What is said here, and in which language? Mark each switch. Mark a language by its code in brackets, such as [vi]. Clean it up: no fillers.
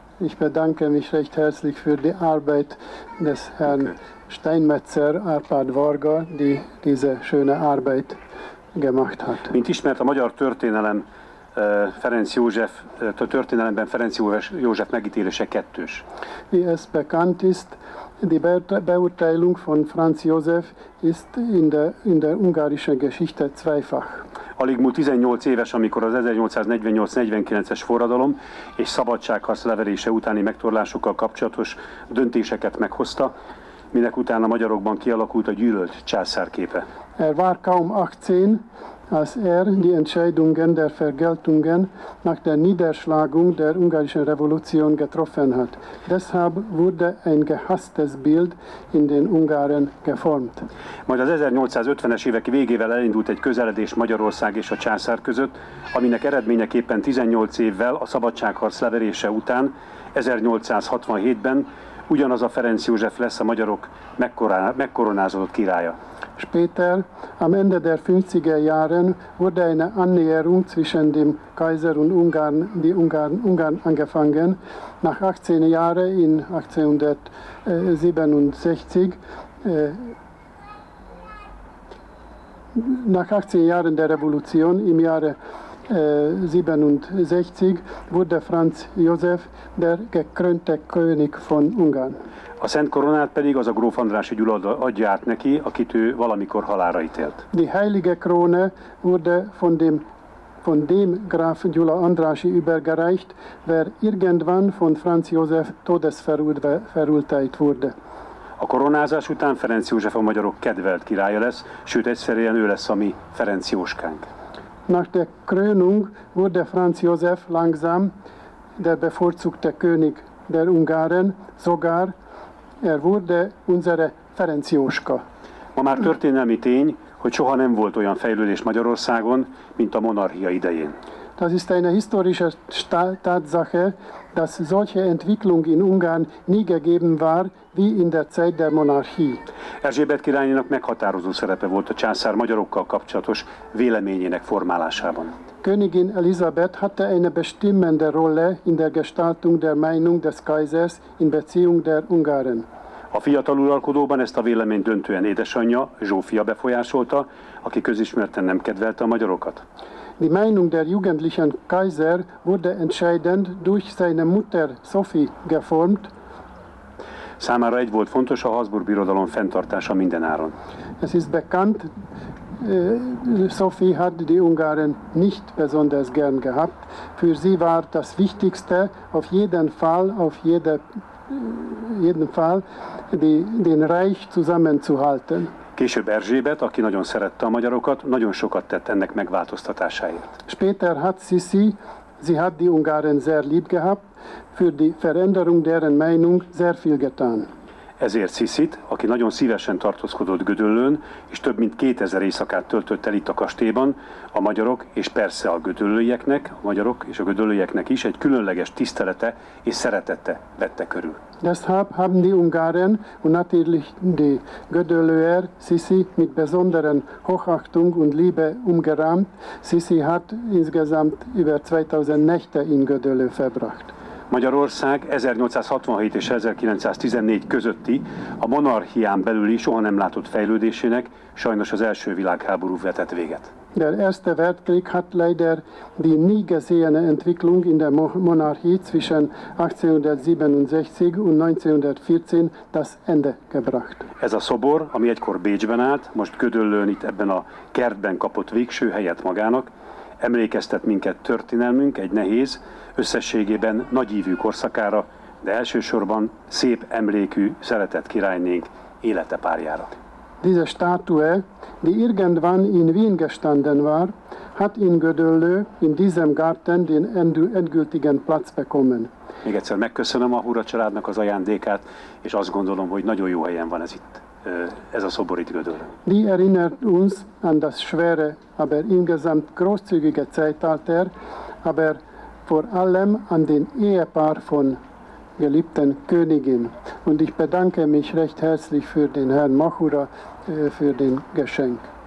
[de] Ich bedanke mich recht herzlich für die Arbeit des Herrn Steinmetzer Árpád Varga, die diese schöne Arbeit gemacht hat. [hu] Mint ismert a magyar történelem, Ferenc József, a történelemben Ferenc József megítélése kettős. [de] Wie es bekannt ist, die Beurteilung von Franz Josef ist in der ungarischen Geschichte zweifach. [hu] Alig múlt 18 éves, amikor az 1848-49-es forradalom és szabadságharc leverése utáni megtorlásokkal kapcsolatos döntéseket meghozta, minek után a magyarokban kialakult a gyűlölt császárképe. [de] Er war kaum 18, als die Entscheidungen der Vergeltungen nach der Niederschlagung der ungarischen Revolution getroffen hat. Deshalb wurde ein gehasstes Bild in den Ungarn geformt. [hu] Majd az 1850-es évek végével elindult egy közeledés Magyarország és a császár között, aminek eredményeképpen 18 évvel a szabadságharc leverése után 1867-ben ugyanaz a Ferenc József lesz a magyarok megkoronázott királya. [de] Später, am Ende der 50er Jahren, wurde eine Annäherung zwischen dem Kaiser und Ungarn angefangen. Nach 18 Jahren, in 1867, nach 18 Jahren der Revolution, im Jahre 1867 wurde Franz József der gekrönte König von Ungarn. [hu] A Szent Koronát pedig az a gróf Andrássy Gyula adja át neki, akit ő valamikor halálra ítélt. [de] Die heilige Krone wurde von dem Graf Gyula Andrássy übergereicht, wer irgendwann von Franz József Todesverurteilt wurde. [hu] A koronázás után Ferenc József a magyarok kedvelt királya lesz, sőt egyszerűen ő lesz a mi Ferenc Jóskánk. [de] Nach der Krönung wurde Franz József langsam der bevorzugte König der Ungaren, sogar wurde unsere Ferenc Jóska. [hu] Ma már történelmi tény, hogy soha nem volt olyan fejlődés Magyarországon, mint a monarchia idején. [de] Das ist eine historische Tatsache, dass solche Entwicklung in Ungarn nie gegeben war, wie in der Zeit der Monarchie. [hu] Erzsébet királynak meghatározó szerepe volt a császár magyarokkal kapcsolatos véleményének formálásában. [de] Königin Elisabeth hatte eine bestimmende Rolle in der Gestaltung der Meinung des Kaisers in Beziehung der Ungaren. [hu] A fiatal uralkodóban ezt a véleményt döntően édesanyja, Zsófia befolyásolta, aki közismerten nem kedvelte a magyarokat. [de] Die Meinung der jugendlichen Kaiser wurde entscheidend durch seine Mutter Sophie geformt. [hu] Számára egy volt fontos, a Habsburg birodalom fenntartása mindenáron. [de] Es ist bekannt, Sophie hat die Ungaren nicht besonders gern gehabt. Für sie war das Wichtigste auf jeden Fall den Reich zusammenzuhalten. [hu] Később Erzsébet, aki nagyon szerette a magyarokat, nagyon sokat tett ennek megváltoztatásáért. [de] Später hat sie hat die Ungaren sehr lieb gehabt, für die Veränderung deren Meinung sehr viel getan. [hu] Ezért Sissit, aki nagyon szívesen tartózkodott Gödöllőn, és több mint 2000 éjszakát töltött el itt a kastélyban, a magyarok és persze a magyarok és a gödöllőieknek is egy különleges tisztelete és szeretete vette körül. [de] Deshalb haben die Ungaren und natürlich die Gödöllőer Sissi mit besonderen Hochachtung und Liebe umgerahmt. Sissi hat insgesamt über 2000 Nächte in Gödöllő verbracht. [hu] Magyarország 1867 és 1914 közötti a monarchián belüli soha nem látott fejlődésének sajnos az első világháború vetett véget. [de] Der erste Weltkrieg hat leider die nie gesehene Entwicklung in der Monarchie zwischen 1867 und 1914 das Ende gebracht. [hu] Ez a szobor, ami egykor Bécsben állt, most Gödöllőn itt ebben a kertben kapott végső helyet magának, emlékeztet minket történelmünk egy nehéz, összességében nagyívű korszakára, de elsősorban szép emlékű, szeretett királynénk élete párjára. [de] Diese Statue, die irgendwann in Wien gestanden war, hat in Gödöllő, in diesem Garten den endgültigen Platz bekommen. [hu] Még egyszer megköszönöm a Hura családnak az ajándékát, és azt gondolom, hogy nagyon jó helyen van ez itt. Ez a szobor itt Gödöllőn. [de] Die erinnert uns an das schwere, aber insgesamt großzügige Zeitalter, aber vor allem an den Ehepaar von geliebten Königin. Und ich bedanke mich recht herzlich für den Herrn Machura für den Geschenk.